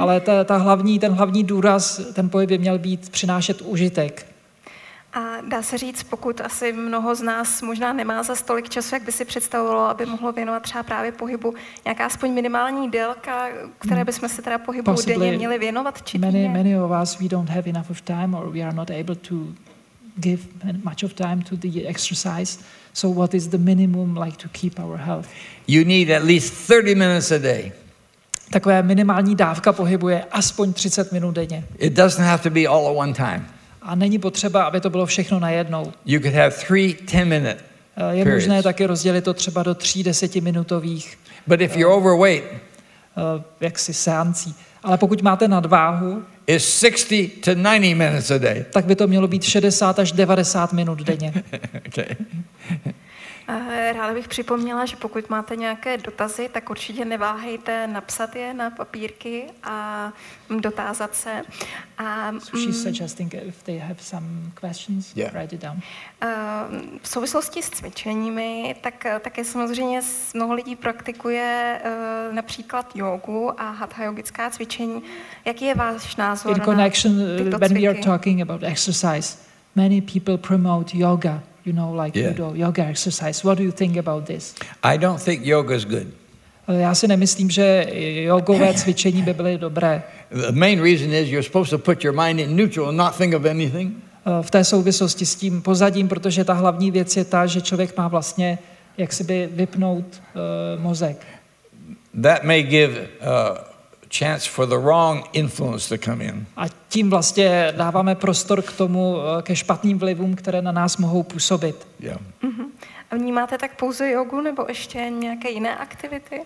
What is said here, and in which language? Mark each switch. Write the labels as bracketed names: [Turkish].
[Czech] Ale ten hlavní důraz, ten pohyb by měl být přinášet užitek. A dá se říct, pokud asi mnoho z nás možná nemá za tolik času, jak by si představovalo, aby mohlo věnovat třeba právě pohybu, nějaká aspoň minimální délka, které bychom se teda pohybu denně měli věnovat či týdně? [English] Many of us, we don't have enough of time or we are not able to give much of time to the exercise. So what is the minimum like to keep our health? You need at least 30 minutes a day. [Czech] Takové minimální dávka pohybu je aspoň 30 minut denně. [English] It doesn't have to be all at one time. [Czech] A není potřeba, aby to bylo všechno najednou. [English] You could have three 10-minute periods. [Czech] Je možné taky rozdělit to třeba do 3 10-minutových. [English] But if you're overweight, [Czech] jaksi seancí. Ale pokud máte nadváhu, [English] it's 60 to 90 minutes a day. [Czech] Tak by to mělo být 60 až 90 minut denně. [English] Okay. [Czech] Ráda bych připomněla, že pokud máte nějaké dotazy, tak určitě neváhejte napsat je na papírky a dotázat se. A, [English] she's suggesting if they have some questions, yeah. Write it down. [Czech] V souvislosti s cvičeními, tak také samozřejmě mnoho lidí praktikuje například jógu a hatha jogická cvičení. Jaký je váš názor [English] in connection, [Czech] na tyto [English] when [Czech] cviky? [English] We are talking about exercise, many people promote yoga. You know, like Udo, yoga exercise. What do you think about this? I don't think yoga is good. [Czech] Já si nemyslím, že jogové cvičení by byly dobré. [English] The main reason is you're supposed to put your mind in neutral and not think of anything. [Czech] V té souvislosti s tím pozadím, protože ta hlavní věc je ta, že člověk má vlastně jaksi vypnout mozek. [English] That may give chance for the wrong influence to come in. [Czech] A tím vlastně dáváme prostor k tomu, ke špatným vlivům, které na nás mohou působit. [English] Yeah. [Czech] Mm-hmm. A vnímáte tak pouze jogu nebo ještě nějaké jiné aktivity?